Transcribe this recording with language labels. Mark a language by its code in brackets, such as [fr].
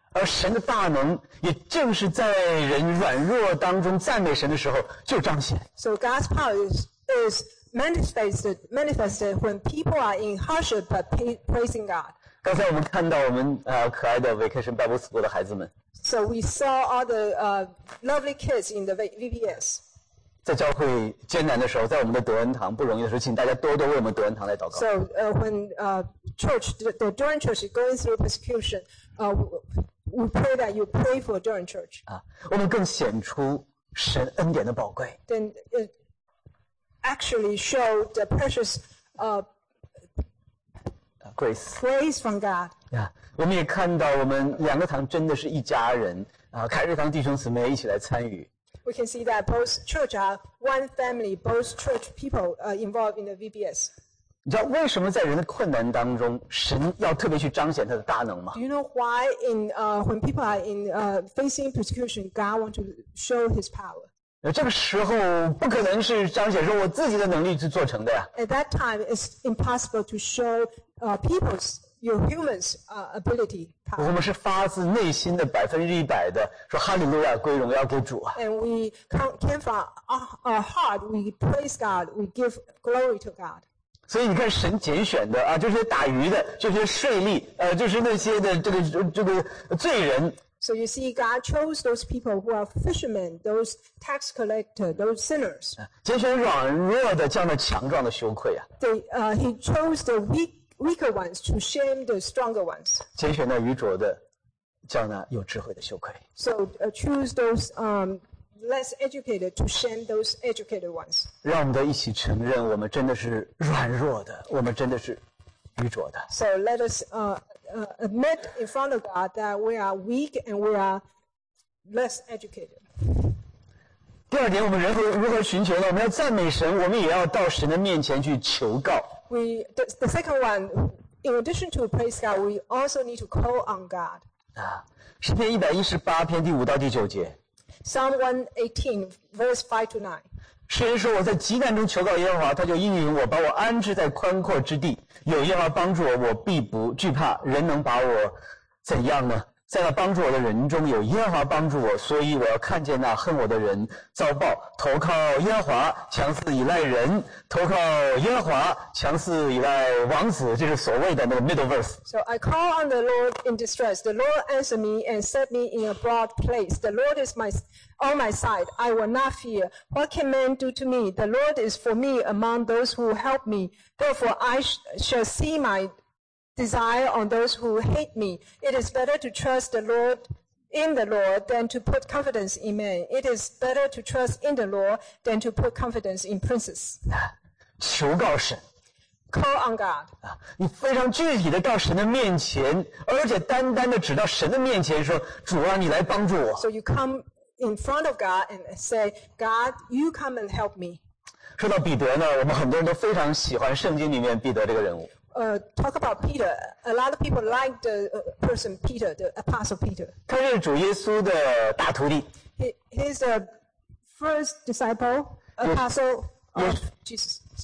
[zh] 而神的大能，也正是在人软弱当中赞美神的时候就彰显。 [en] So God's power is manifested when people are in hardship but praising God. [zh] 刚才我们看到我们可爱的 [en] Vacation Bible School [zh] 的孩子们。 [en] So we saw all the lovely kids in the VBS. [zh] 在教会艰难的时候，在我们的德恩堂不容易的时候，请大家多多为我们德恩堂来祷告。 [en] So when church the Durant Church is going through persecution, we pray that you pray for Durant Church. [zh] 啊，我们更显出神恩典的宝贵。 [en] Then it actually show the precious grace from God. Yeah. [zh] 我们也看到我们两个堂真的是一家人啊，凯瑞堂弟兄姊妹一起来参与。 [en] We can see that both church are one family, both church people involved in the VBS. [zh] 你知道为什么在人的困难当中，神要特别去彰显他的大能吗？ [en] Do you know why in when people are in facing persecution, God want to show His power? [zh] 这个时候不可能是彰显说我自己的能力去做成的呀。 [en] At that time, it's impossible to show people's. Your human's ability. [zh] 我们是发自内心的百分之一百的说哈利路亚归荣耀给主啊。 [en] And we came from our heart, we praise God, we give glory to God. [zh] 所以你看神拣选的啊，就是打鱼的，就是税吏，就是那些的这个罪人。 [en] So you see, God chose those people who are fishermen, those tax collectors, those sinners. [zh] 拣选软弱的，叫那强壮的羞愧啊。 [en] They, he chose the weak. Weaker ones to shame the stronger ones. [zh] 拣选那愚拙的，叫那有智慧的羞愧。 [en] So choose those less educated to shame those educated ones. [zh] 让我们都一起承认，我们真的是软弱的，我们真的是愚拙的。 [en] So let us admit in front of God that we are weak and we are less educated. [zh] 第二点，我们人如何寻求呢？我们要赞美神，我们也要到神的面前去求告。 [en] The second one, in addition to praise God, we also need to call on God. [zh] 啊，诗篇一百一十八篇第五到第九节。 [en] Psalm 118, verse 5-9. [zh] 诗人说：“我在极难中求告耶和华，他就应允我，把我安置在宽阔之地。有耶和华帮助我，我必不惧怕。人能把我怎样呢？在那帮助我的人中有耶和华帮助我，所以我要看见那恨我的人遭报。投靠耶和华，强似依赖人；投靠耶和华，强似依赖王子。” 这是所谓的那个 [en] middle verse。 So I call on the Lord in distress. The Lord answered me and set me in a broad place. The Lord is on my side. I will not fear. What can man do to me? The Lord is for me among those who help me. Therefore I shall see my desire on those who hate me. It is better to trust the Lord in the Lord than to put confidence in man. It is better to trust in the Lord than to put confidence in princes. [zh] 求告神。 [en] Call on God. [zh] 你非常具体的到神的面前，而且单单的指到神的面前说，主啊，你来帮助我。 [en] So you come in front of God and say, God, you come and help me. [zh] 说到彼得呢，我们很多人都非常喜欢圣经里面彼得这个人物。 [en] Talk about Peter. A lot of people like the person Peter, the apostle Peter. [zh] 他是主耶稣的大徒弟。 [en] He's the first disciple, apostle of Jesus.